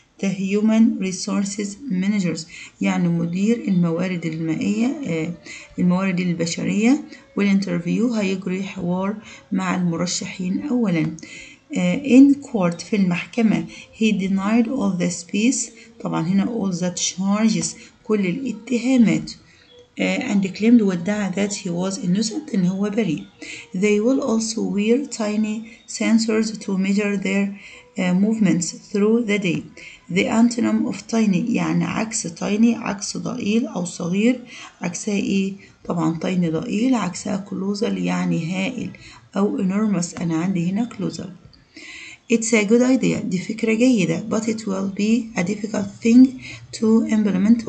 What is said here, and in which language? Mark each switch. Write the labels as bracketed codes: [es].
[en] The human resources managers [ar] يعني مدير الموارد المائية الموارد البشرية. والانترفيو هيجري حوار مع المرشحين أولا. [en] In court [ar] في المحكمة [en] he denied all the space [ar] طبعا هنا [en] all the charges [ar] كل الاتهامات. [en] And claimed [ar] وادعى [en] that he was innocent [ar] إن هو بريء. [en] They will also wear tiny sensors to measure their movements through the day. The antonym of tiny [ar] يعني عكس tiny عكس ضئيل أو صغير. عكسها إيه؟ طبعا tiny ضئيل. عكسها colossal يعني هائل أو enormous. أنا عندي هنا [en] colossal. It's a good idea. [ar] دي فكرة جيدة. [en] But it will be a difficult thing to implement.